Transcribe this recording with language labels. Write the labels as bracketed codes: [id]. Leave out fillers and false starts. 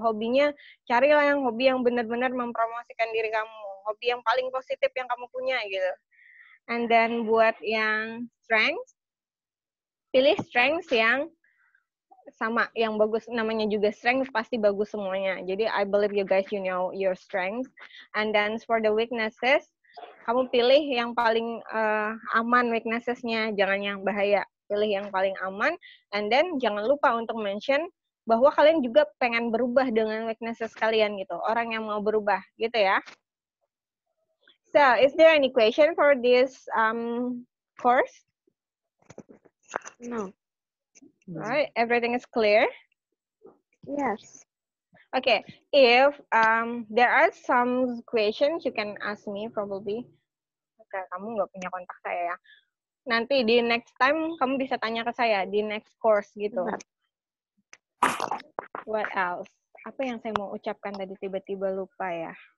[id] Hobinya, carilah yang hobi yang benar-benar mempromosikan diri kamu. Hobi yang paling positif yang kamu punya, gitu. [en] And then [id] buat yang strength, pilih strength yang sama, yang bagus. Namanya juga strength, pasti bagus semuanya. Jadi, [en] I believe you guys, you know your strength. And then for the weaknesses, [id] kamu pilih yang paling aman weaknesses-nya, jangan yang bahaya. Pilih yang paling aman. [en] And then [id] jangan lupa untuk mention bahwa kalian juga pengen berubah dengan weaknesses kalian, gitu. Orang yang mau berubah, gitu ya. [en] So, is there any question for this course? No. All right, everything is clear? Yes. Okay, if there are some questions, you can ask me probably. [id] Okay, kamu nggak punya kontak saya ya. Nanti di [en] next time, [id] kamu bisa tanya ke saya di [en] next course [id] gitu. [en] What else? [id] Apa yang saya mau ucapkan tadi tiba-tiba lupa ya?